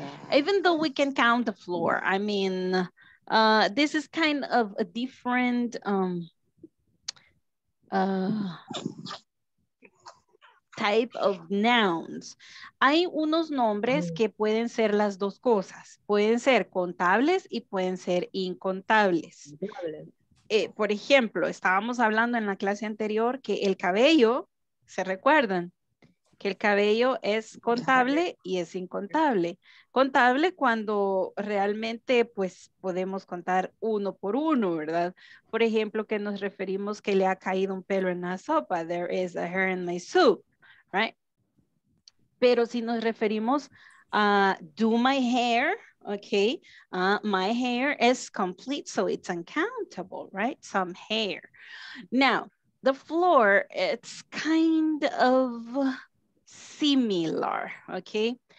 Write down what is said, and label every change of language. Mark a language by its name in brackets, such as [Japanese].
[English] Even though we can count the floor, I mean, this is kind of a different type of nouns. [Spanish] Hay unos nombres que pueden ser las dos cosas. Pueden ser contables y pueden ser incontables. Por ejemplo, estábamos hablando en la clase anterior que el cabello, ¿se recuerdan? Que el cabello es contable y es incontable. Contable cuando realmente pues podemos contar uno por uno, ¿verdad? Por ejemplo, que nos referimos que le ha caído un pelo en la sopa. [English] There is a hair in my soup, right? [Spanish] Pero si nos referimos a [English] do my hair, okay, my hair is complete, so it's uncountable, right? Some hair. Now, the floor, it's kind of similar, okay?